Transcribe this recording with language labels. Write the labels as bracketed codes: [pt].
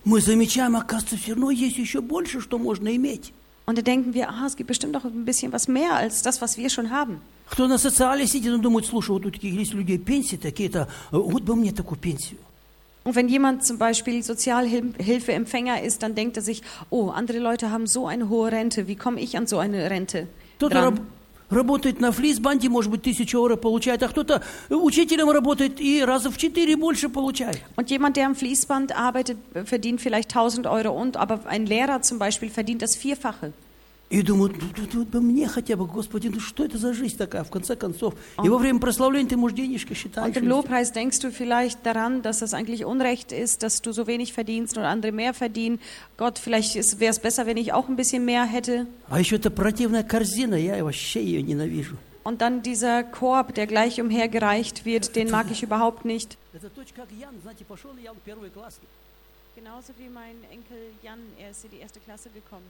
[ru] мы замечаем, оказывается, все равно есть еще больше, что можно иметь. [de] Und dann denken wir, es gibt bestimmt noch ein bisschen was mehr als das, was wir schon haben. [ru] Кто на социале сидит, он думает, слушай, вот тут есть люди пенсии такие-то, вот бы мне такую пенсию. [de] Und wenn jemand zum Beispiel Sozialhilfeempfänger ist, dann denkt er sich, oh, andere Leute haben so eine hohe Rente, wie komme ich an so eine Rente dran? [ru] Работает на флисбанде, может быть, 1000 евро получает, а кто-то учителем работает и раза в 4 больше получает. [de] Und jemand, der am Fließband arbeitet, verdient vielleicht 1000 Euro, und aber ein Lehrer zum Beispiel verdient das Vierfache. [ru] И думают, мне хотя бы, Господи, ну что это за жизнь такая, в конце концов. И во время прославления ты, может, денежки считаешь. [de] Und im Lobpreis denkst du vielleicht daran, dass das eigentlich Unrecht ist, dass du so wenig verdienst und andere mehr verdienen. Gott, vielleicht wäre es besser, wenn ich auch ein bisschen mehr hätte. [ru] А еще эта противная корзина, я вообще ее ненавижу. [de] Und dann dieser Korb, der gleich umhergereicht wird, den mag ich überhaupt nicht. [ru] Это точно как Ян, знаете, пошел Ян в первый класс. [de] Genauso wie mein Enkel Jan, er ist in die erste Klasse gekommen.